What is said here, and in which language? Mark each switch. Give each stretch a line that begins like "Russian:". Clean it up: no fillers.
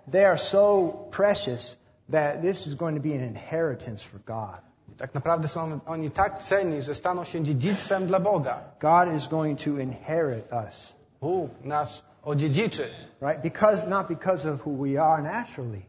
English: They are so precious that this is going to be an inheritance for God.
Polish: Tak naprawdę są oni tak cenni, że staną się dziedzictwem dla Boga.
English: God is going to inherit us.
Polish: Bóg nas odziedziczy.
English: Right, because not because of who we are naturally.